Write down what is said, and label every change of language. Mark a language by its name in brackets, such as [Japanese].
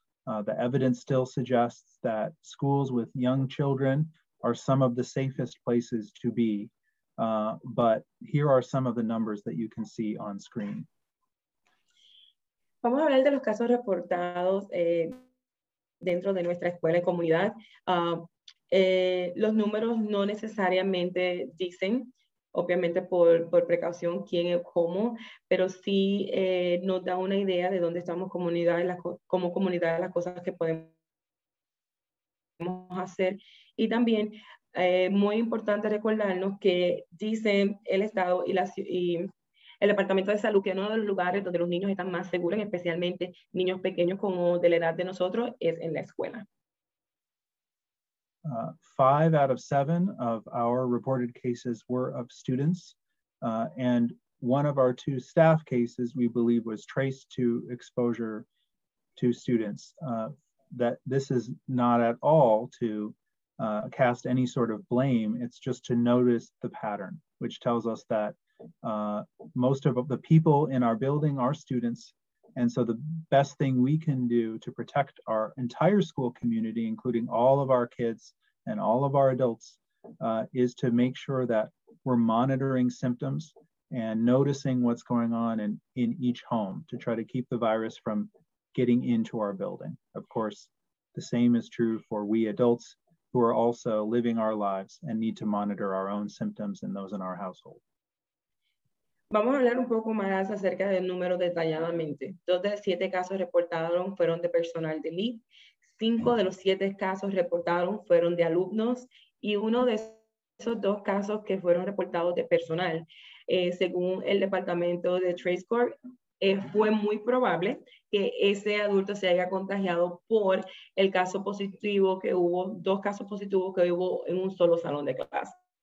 [English] The evidence still suggests that schools with young children are some of the safest places to be, but here are some of the numbers that you can see on screen. [Spanish] Vamos a hablar de los casos reportados dentro de nuestra escuela y comunidad. Los números no necesariamente dicen, obviamente por precaución, quién es cómo, pero sí nos da una idea de dónde estamos comunidad, como comunidad, las cosas que podemos hacer. Y también muy importante recordarnos que dicen el Estado y la ciudad, el Departamento de Salud, que uno de los lugares donde los niños están más seguros, especialmente niños pequeños como de la edad de nosotros, es en la escuela. [English] 5 out of 7 of our reported cases were of students, and one of our 2 staff cases, we believe, was traced to exposure to students. That this is not at all to cast any sort of blame, it's just to notice the pattern, which tells us that most of the people in our building are students, and so the best thing we can do to protect our entire school community, including all of our kids and all of our adults, is to make sure that we're monitoring symptoms and noticing what's going on in each home to try to keep the virus from getting into our building. Of course, the same is true for we adults who are also living our lives and need to monitor our own symptoms and those in our household. [Spanish] Vamos a hablar un poco más acerca del número detalladamente. 2 de 7 casos reportados fueron de personal de LEAP, 5 de los 7 casos reportados fueron de alumnos y 1 de esos 2 casos que fueron reportados de personal. Según el departamento de Trace Corp, fue muy probable que ese adulto se haya contagiado por el caso positivo que hubo, 2 casos positivos que hubo en un solo salón de clase.